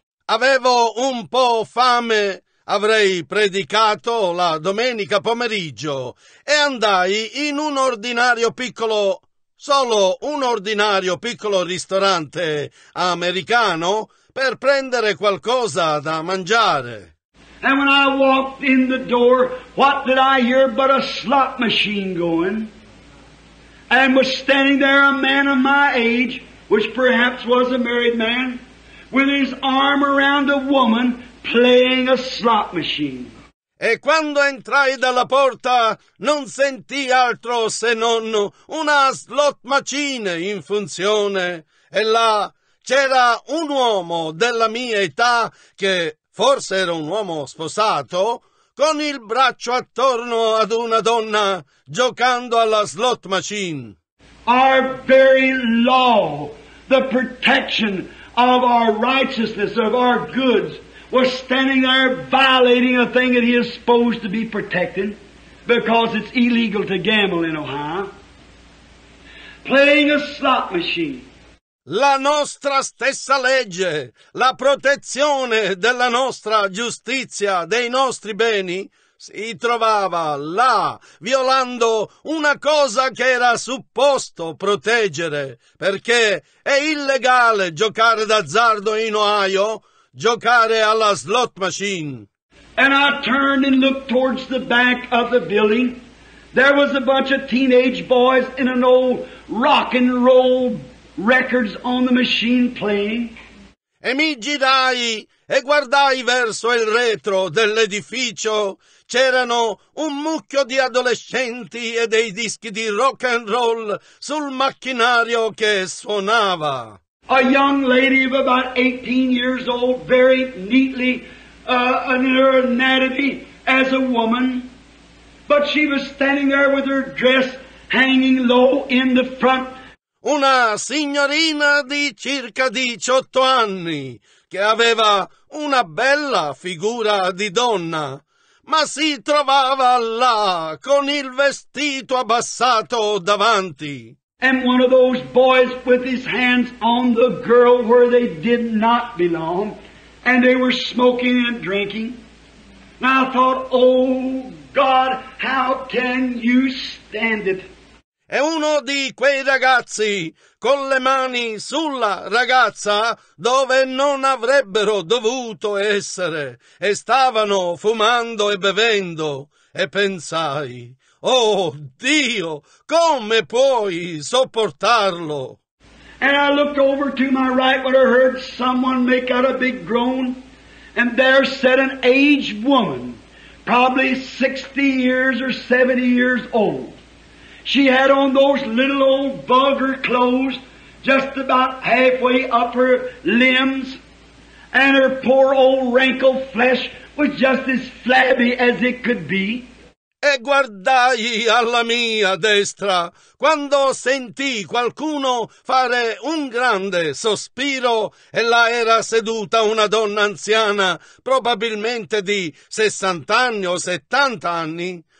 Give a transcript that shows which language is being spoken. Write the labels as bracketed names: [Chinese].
[Italian] Avevo un po' fame, avrei predicato la domenica pomeriggio e andai in un ordinario piccolo, solo un ordinario piccolo ristorante americano per prendere qualcosa da mangiare. [English] And when I walked in the door, what did I hear but a slot machine going? And was standing there a man of my age, which perhaps was a married man, with his arm around a woman playing a slot machine. [Italian] E quando entrai dalla porta non sentì altro se non una slot machine in funzione. E là c'era un uomo della mia età, che forse era un uomo sposato, con il braccio attorno ad una donna giocando alla slot machine. [English] Our very law, the protection of our righteousness, of our goods, was standing there violating a thing that he is supposed to be protecting, because it's illegal to gamble in Ohio, playing a slot machine. [Italian] La nostra stessa legge, la protezione della nostra giustizia, dei nostri beni, si trovava là, violando una cosa che era supposto proteggere, perché è illegale giocare d'azzardo in Ohio, giocare alla slot machine. [English] And I turned and looked towards the back of the building. There was a bunch of teenage boys in an old rock and roll records on the machine playing. [Italian] E mi girai e guardai verso il retro dell'edificio. C'erano un mucchio di adolescenti e dei dischi di rock and roll sul macchinario che suonava. [English] A young lady of about 18 years old, very neatly in her anatomy as a woman. But she was standing there with her dress hanging low in the front. [Italian] Una signorina di circa 18 anni che aveva una bella figura di donna, ma si trovava là con il vestito abbassato davanti. [English] And one of those boys with his hands on the girl where they did not belong, and they were smoking and drinking. And I thought, oh God, how can you stand it? [Italian] E uno di quei ragazzi con le mani sulla ragazza dove non avrebbero dovuto essere e stavano fumando e bevendo e pensai, oh Dio, come puoi sopportarlo? [English] And I looked over to my right when I heard someone make out a big groan and there sat an aged woman, probably 60 years or 70 years old. She had on those little old bugger clothes, just about halfway up her limbs, and her poor old wrinkled flesh was just as flabby as it could be. [Italian] E guardai alla mia destra quando sentì qualcuno fare un grande sospiro e là era seduta una donna anziana, probabilmente di 60 anni o 70 anni.